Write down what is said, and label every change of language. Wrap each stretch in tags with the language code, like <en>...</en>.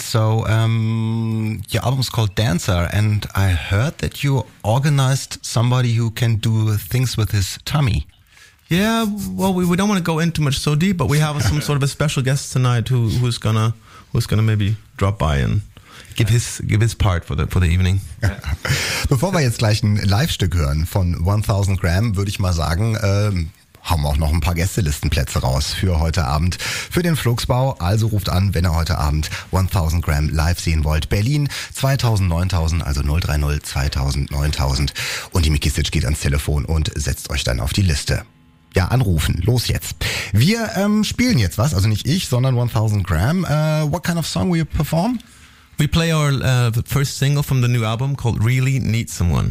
<en>So your album's called Dancer, and I heard that you organized somebody who can do things with his tummy. Yeah, well, we don't want to go in too much so deep, but we have some sort of a special guest tonight who's gonna maybe drop by and give his part for the evening.</en> <de>Bevor wir jetzt gleich ein Live-Stück hören von 1000 Gram, würde ich mal sagen, haben auch noch ein paar Gästelistenplätze raus für heute Abend, für den Fluxbau. Also ruft an, wenn ihr heute Abend 1000 Gram live sehen wollt. Berlin 2000, 9000, also 030 2000, 9000. Und die Miki Sitsch geht ans Telefon und setzt euch dann auf die Liste. Ja, anrufen. Los jetzt. Wir spielen jetzt was, also nicht ich, sondern 1000 Gram.</de> <en>What kind of song will you perform? We play our first single from the new album called Really Need Someone.</en>